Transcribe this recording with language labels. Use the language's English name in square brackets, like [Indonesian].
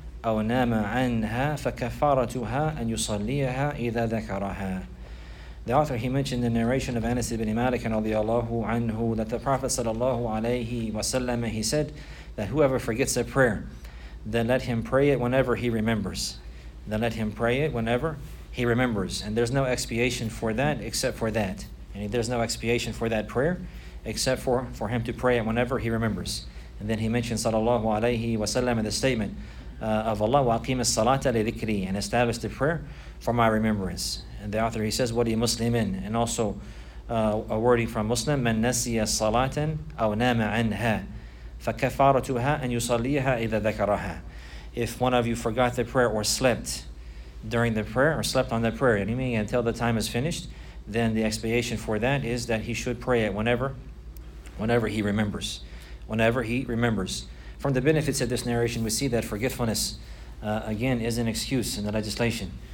[Arabic] أو نام عنها فكفارتها أن يصليها إذا ذكرها. [English] The author, he mentioned the narration of Anas ibn Malik radiallahu anhu, that the Prophet sallallahu alayhi wasallam, he said that whoever forgets a prayer, then let him pray it whenever he remembers. Then let him pray it whenever he remembers. And there's no expiation for that except for that. And there's no expiation for that prayer except for him to pray it whenever he remembers. And then he mentioned sallallahu alayhi wasallam in the statement of Allah, [Arabic] وَأَقِيم الصَّلَاةَ لِذِكْرِي, [English] and establish the prayer for my remembrance. And the author, he says, [Arabic] وَلِي مُسْلِمٍ, [English] and also a wording from Muslim, [Arabic] مَن نَسِيَ صَلَاةً أَوْ نَامَ عَنْهَا فَكَفَارَتُهَا أَنْ يُصَلِّيهَا إِذَا ذَكَرَهَا. [English] If one of you forgot the prayer or slept during the prayer or slept on the prayer, and you mean until the time is finished, then the expiation for that is that he should pray it whenever he remembers. Whenever he remembers. From the benefits of this narration, we see that forgetfulness, again, is an excuse in the legislation.